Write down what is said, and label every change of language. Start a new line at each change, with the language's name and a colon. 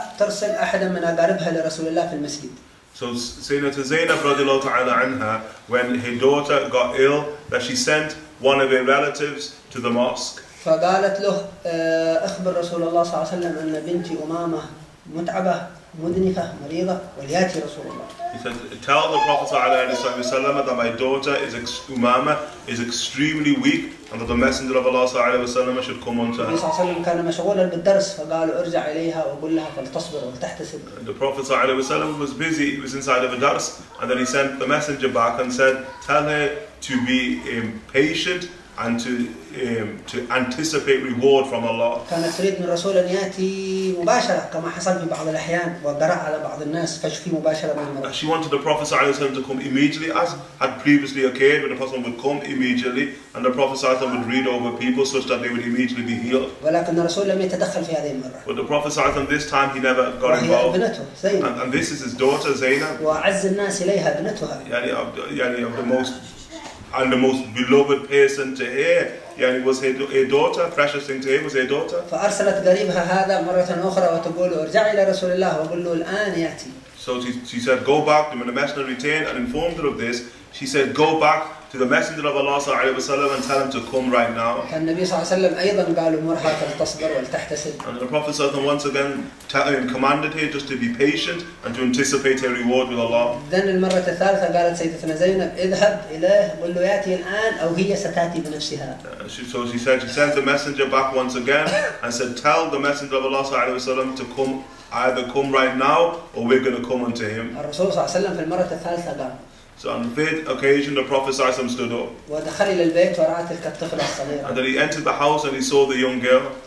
English: So Sayyidina Zainab radiallahu ta'ala anha, when her daughter got ill, that she sent one of her relatives to the mosque.
Arabic: فقالت له أخبر رسول الله صلى الله عليه وسلم أن بنتي أمامة متعبة مدنفة مريضة وليأتي رسول الله.
English: He said, tell the Prophet sallallahu alaihi wasallam that my daughter is Umama is extremely weak and that the Messenger of Allah sallallahu alaihi wasallam should come unto her.
Arabic: كان مشغولا بالدرس فقال ارجع إليها وقل لها فلتصبر ولتحتسب.
English: The Prophet sallallahu alaihi wasallam was busy. He was inside of a درس, and then he sent the messenger back and said, tell her to be patient and to anticipate reward from Allah.
Arabic: كانت تريد من رسول أن يأتي مباشرة كما حصل في بعض الأحيان ودرع على بعض الناس فشفي مباشرة من المرض.
English: She wanted the Prophet
Arabic: صلى الله عليه وسلم
English: to come immediately, as had previously occurred when the Prophet would come immediately and the Prophet صلى الله عليه وسلم would read over people such that they would immediately be healed.
Arabic: ولكن الرسول لم يتدخل في هذه المرة.
English: But the Prophet
Arabic: صلى الله عليه وسلم
English: this time he never got involved.
Arabic: ابنته زينب.
English: And this is his daughter Zainab.
Arabic: وأعز الناس إليها ابنتها. يعني
English: of the most and the most beloved person to her, yani was her daughter, precious thing to her was her daughter.
Arabic: فأرسلت قريبها هذا مرة أخرى وتقول ارجع إلى رسول الله وقل له الآن يأتي.
English: So she said, go back. When the messenger returned and informed her of this, she said, go back to the messenger of Allah
Arabic: صلى الله عليه وسلم
English: and tell him to come right now.
Arabic: النبي صلى الله عليه وسلم أيضا قال أمرها فلتصبر ولتحتسب.
English: And the Prophet
Arabic: صلى الله عليه وسلم
English: once again commanded her just to be patient and to anticipate her reward with Allah. Then
Arabic: المرة الثالثة قالت سيدتنا زينب اذهب إليه قل له يأتي الآن أو هي ستأتي بنفسها.
English: So she said, she sent the messenger back once again and said, tell the messenger of Allah
Arabic: صلى الله عليه وسلم
English: to come, either come right now or we're going to come unto him.
Arabic: الرسول صلى الله عليه وسلم في المرة الثالثة قال.
English: So on the third occasion, the Prophet ﷺ stood up.
Arabic: ودخل إلى البيت ورأى تلك الطفلة الصغيرة.
English: And then he entered the house and he saw the young girl.